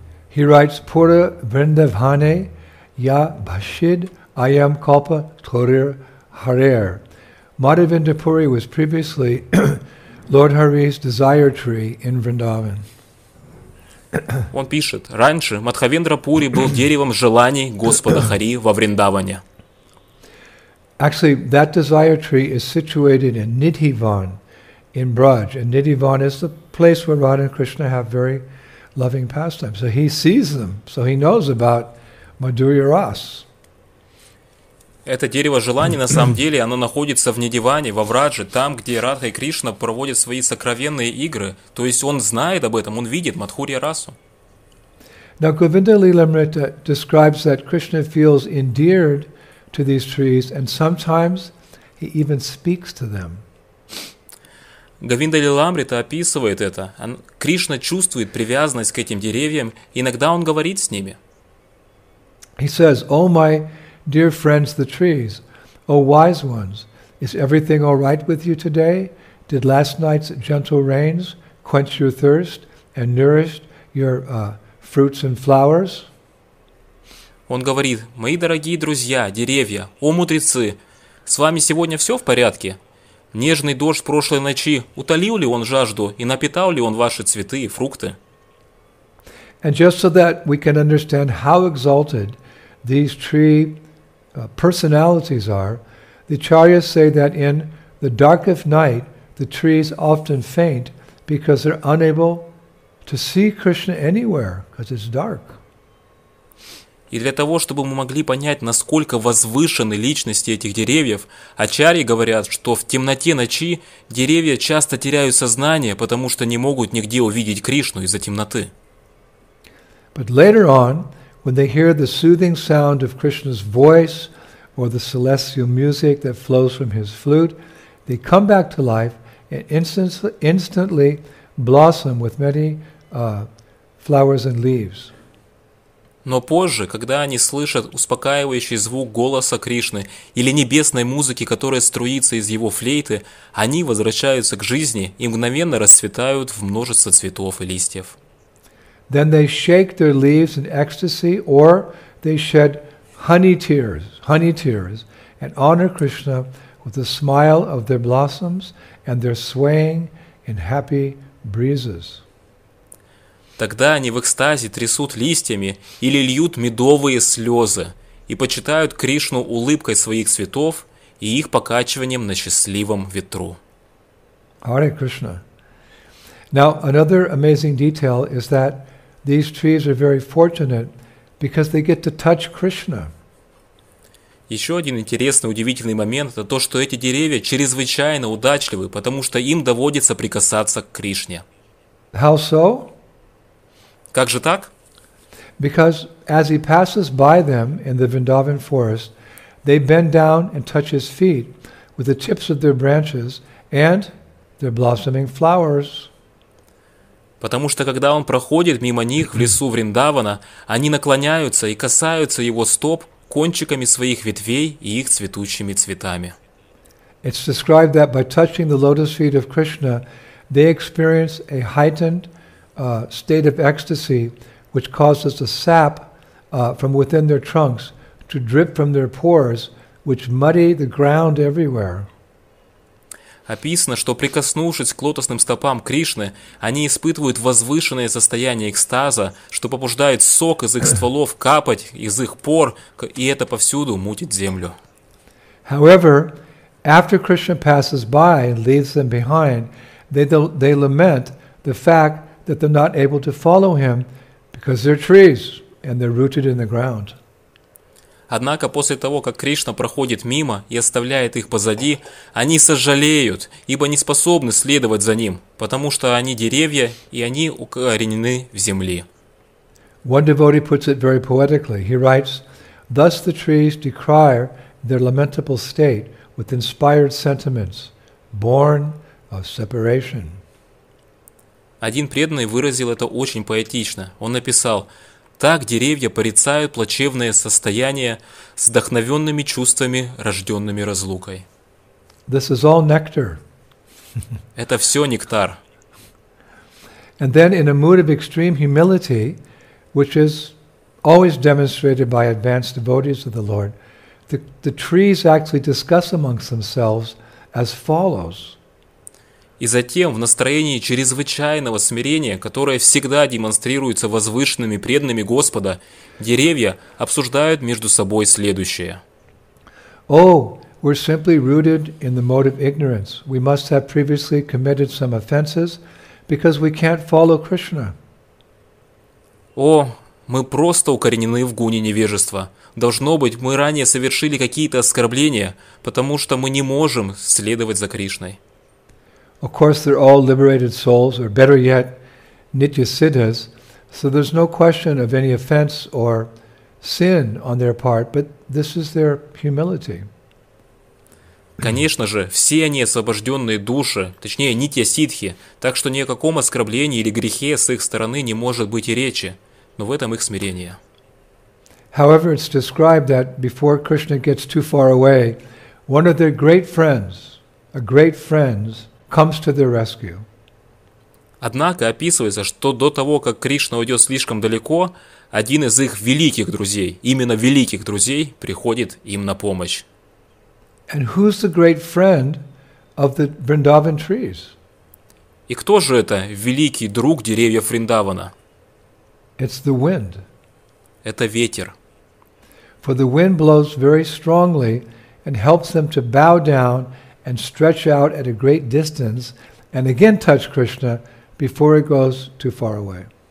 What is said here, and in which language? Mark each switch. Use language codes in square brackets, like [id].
[en] He writes, [sa] Pura Vrindavane Ya Bhashid Ayam Kalpa Thorir Harer. [en] Madhavendapuri was previously Lord Hari's desire tree in Vrindavan. [ru] Он пишет, раньше Мадхавендра Пури был деревом желаний Господа Хари во Вриндаване. [en] Actually, that desire tree is situated in Nidhivan, in Braj. And Nidhivan is the place where Radha and Krishna have very loving pastimes. So he sees them, so he knows about Madhurya Ras. [ru] Это дерево желаний, на самом деле, оно находится в Нидиване, во Врадже, там, где Радха и Кришна проводят свои сокровенные игры. То есть он знает об этом, он видит Мадхурья Расу. [en] Now, Govinda Lilamrita describes that Krishna feels endeared to these trees, and sometimes He even speaks to them. [ru] Говинда Лиламрита описывает это. Кришна чувствует привязанность к этим деревьям, иногда он говорит с ними. [en] He says, "O my dear friends, the trees, O wise ones, is everything all right with you today? Did last night's gentle rains quench your thirst and nourished your fruits and flowers?" [ru] Он говорит: "Мои дорогие друзья, деревья, о мудрецы, с вами сегодня все в порядке? Нежный дождь прошлой ночи, утолил ли он жажду и напитал ли он ваши цветы и фрукты?" [en] And just so that we can understand how exalted these three personalities are, the Acharyas say that in the darkest night, the trees often faint because they're unable to see Krishna anywhere, because it's dark. [ru] И для того, чтобы мы могли понять, насколько возвышены личности этих деревьев, ачарьи говорят, что в темноте ночи деревья часто теряют сознание, потому что не могут нигде увидеть Кришну из-за темноты. [en] But later on, when they hear the soothing sound of Krishna's voice or the celestial music that flows from his flute, they come back to life and instantly blossom with many flowers and leaves. [ru] Но позже, когда они слышат успокаивающий звук голоса Кришны или небесной музыки, которая струится из его флейты, они возвращаются к жизни и мгновенно расцветают в множество цветов и листьев. [en] Then they shake their leaves in ecstasy, or they shed honey tears, and honor Krishna with the smile of their blossoms and their swaying in happy breezes. [ru] Тогда они в экстазе трясут листьями или льют медовые слезы и почитают Кришну улыбкой своих цветов и их покачиванием на счастливом ветру. [en] Hare Krishna. Now, another amazing detail is that these trees are very fortunate because they get to touch Krishna. [ru] Еще один интересный, удивительный момент – это то, что эти деревья чрезвычайно удачливы, потому что им доводится прикасаться к Кришне. [en] How so? [ru] Как же так? [en] Because as he passes by them in the Vrindavan forest, they bend down and touch his feet with the tips of their branches and their blossoming flowers. [ru] Потому что когда он проходит мимо них в лесу Вриндавана, они наклоняются и касаются его стоп кончиками своих ветвей и их цветущими цветами. [en] It's described that by touching the lotus feet of Krishna, they experience a heightened state of ecstasy, which causes the sap from within their trunks to drip from their pores, which muddy the ground everywhere. [ru] Описано, что прикоснувшись к лотосным стопам Кришны, они испытывают возвышенное состояние экстаза, что побуждает сок из их стволов капать из их пор, и это повсюду мутит землю. [en] However, after Krishna passes by and leaves them behind, they lament the fact that they're not able to follow him because they're trees and they're rooted in the ground. [ru] Однако после того, как Кришна проходит мимо и оставляет их позади, они сожалеют, ибо не способны следовать за ним, потому что они деревья и они укоренены в земле. [en] One devotee puts it very poetically. He writes, "Thus the trees decry their lamentable state with inspired sentiments, born of separation." [ru] Один преданный выразил это очень поэтично. Он написал: "Так деревья порицают плачевное состояние с вдохновенными чувствами, рожденными разлукой." [en] This is all nectar. [ru] Это все нектар. [en] And then in a mood of extreme humility, which is always demonstrated by advanced devotees of the Lord, the trees actually discuss amongst themselves as follows. [ru] И затем, в настроении чрезвычайного смирения, которое всегда демонстрируется возвышенными преданными Господа, деревья обсуждают между собой следующее. [en] Oh, we're simply rooted in the mode of ignorance. We must have previously committed some offenses, because we can't follow Krishna. [ru] О, мы просто укоренены в гуне невежества. Должно быть, мы ранее совершили какие-то оскорбления, потому что мы не можем следовать за Кришной. [en] Of course, they're all liberated souls, or better yet, nitya siddhas, so there's no question of any offense or sin on their part, but this is their humility. [ru] Конечно же, все они освобожденные души, точнее, не те ситхи, так что ни о каком оскорблении или грехе с их стороны не может быть и речи, но в этом их смирение. [en] However, it's described that before Krishna gets too far away, one of their great friends, comes to their rescue. [ru] Однако описывается, что до того, как Кришна уйдет слишком далеко, один из их великих друзей, именно великих друзей, приходит им на помощь. [en] And who's the great friend of the Vrindavan trees? [ru] И кто же это великий друг деревьев Вриндавана? [en] It's the wind. [ru] Это ветер. [en] For the wind blows very strongly and helps them to bow down and stretch out at a great distance and again touch Krishna before it goes too far away.